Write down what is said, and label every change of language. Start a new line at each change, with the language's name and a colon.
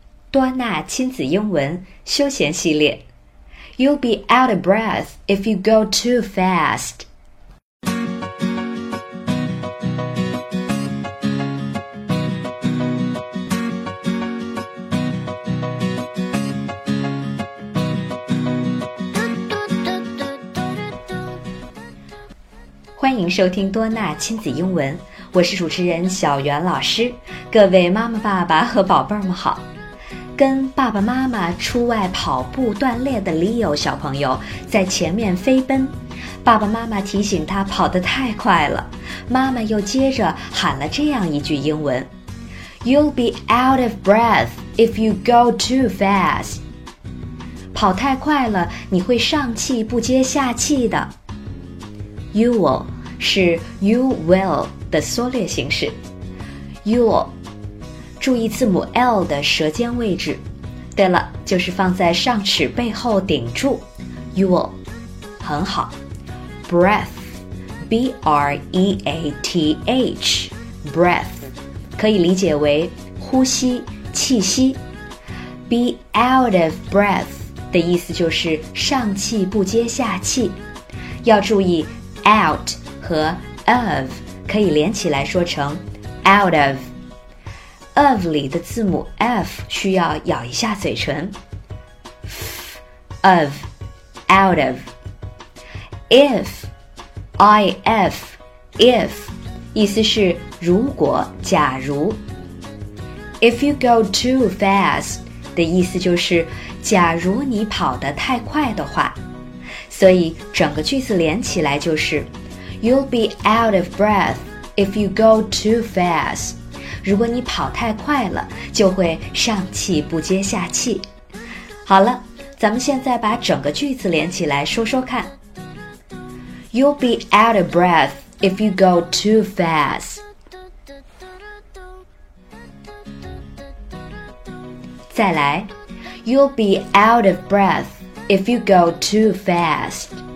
Chinese: 多纳亲子英文休闲系列。
English: You'll be out of breath if you go too fast.
Chinese: 欢迎收听多纳亲子英文，我是主持人小袁老师。各位妈妈爸爸和宝贝儿们好。跟爸爸妈妈出外跑步锻炼的 Leo 小朋友在前面飞奔，爸爸妈妈提醒他跑得太快了，妈妈又接着喊了这样一句英文：
English: You'll be out of breath if you go too fast.
Chinese: 跑太快了，你会上气不接下气的。 You will 是 you will 的缩略形式。 You'll 注意字母 L 的舌尖位置。对了，就是放在上齿背后顶住。You'll 很好。 Breath, B-R-E-A-T-H, breath 可以理解为呼吸、气息。
English: Be out of breath
Chinese: 的意思就是上气不接下气。要注意。 Out 和 of 可以连起来说成 out of。 of 里的字母 f 需要咬一下嘴唇。
English: of out of。
Chinese: if if if 意思是如果假如。
English: if you go too fast
Chinese: 的意思就是假如你跑得太快的话。所以整个句子连起来就是
English: You'll be out of breath if you go too fast.
Chinese: 如果你跑太快了，就会上气不接下气。好了，咱们现在把整个句子连起来说说看。
English: You'll be out of breath if you go too fast. 再来， You'll be out of breath. If you go too fast.